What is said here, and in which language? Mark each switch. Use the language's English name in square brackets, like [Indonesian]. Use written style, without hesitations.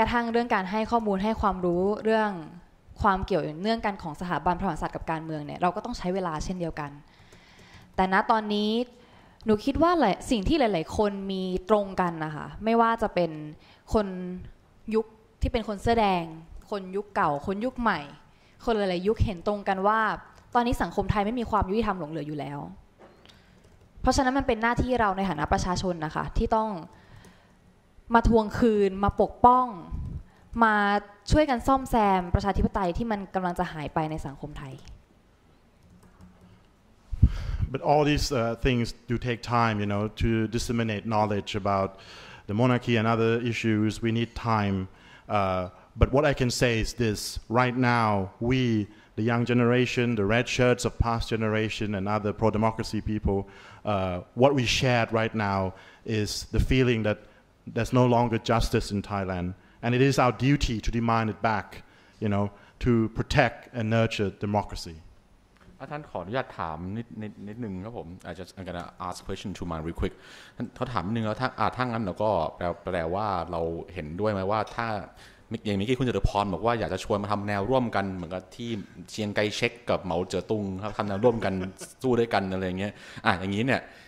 [English] Even the issue of giving information, giving knowledge, about [Thai] ความเกี่ยวเนื่องกันของสถาบันพระมหากษัตริย์กับการเมืองเนี่ยเราก็ต้องใช้เวลาเช่นเดียวกันแต่ณตอนนี้หนูคิดว่าสิ่งที่หลายๆคนมีตรงกันนะคะไม่ว่าจะเป็นคนยุคที่เป็นคนเสื้อแดงคนยุคเก่าคนยุคใหม่คนหลายๆยุคเห็นตรงกันว่าตอนนี้สังคมไทยไม่มีความยุติธรรมหลงเหลืออยู่แล้ว พราะฉะนั้นมันเป็นหน้าที่เราในฐานะประชาชนนะคะที่ต้องมาทวงคืนมาปกป้องมาช่วยกันซ่อมแซมประชาธิปไตยที่มันกำลังจะหายไปในสังคมไทย [English] But all these things do take time, you know, to disseminate knowledge about the monarchy and other issues. We need time. But what I can say is this. Right now, we, the young generation, the red shirts of past generation and other pro-democracy people, what we shared right now is the feeling that there's no longer justice in Thailand. And it is our duty to demand it back, you know, to protect and nurture democracy. [Thai] ท่านขออนุญาตถามนิดนึงครับผมอาจจะ [English] I'm gonna ask question to Marie quick [Thai] ท่านเขาถามนิดนึงแล้วถ้าทั้งนั้นเราก็แปลว่าเราเห็นด้วยไหมว่าถ้าอย่างเมื่อกี้คุณจตุพรบอกว่าอยากจะชวนมาทำแนวร่วมกันเหมือนกับที่เชียงไคเช็คกับเหมาเจ๋อตุงครับทำแนวร่วมกันสู้ด้วยกันอะไรเงี้ยอย่างนี้เนี่ย